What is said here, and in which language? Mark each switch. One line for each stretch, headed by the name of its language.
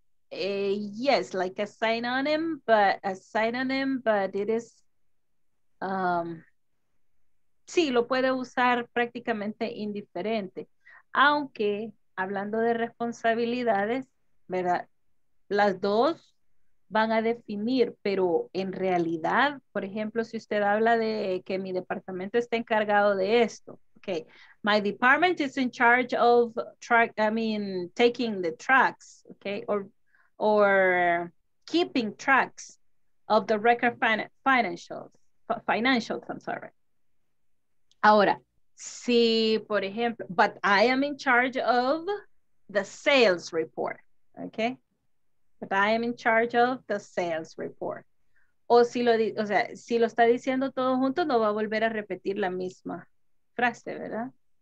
English: Yes, like a synonym, but it is
Spanish: sí, lo puede usar prácticamente indiferente. Aunque hablando de responsabilidades, ¿verdad? Las dos van a definir, pero en realidad, por ejemplo, si usted habla de que mi departamento está encargado de esto.
English: Okay, my department is in charge of taking the trucks, okay, or keeping tracks of the record financials, I'm sorry.
Spanish: Ahora, si, por ejemplo,
English: but I am in charge of the sales report, okay? But I am in charge of the sales report.
Spanish: O si lo, o sea, si lo está diciendo todo junto, no va a volver a repetir la misma frase, ¿verdad?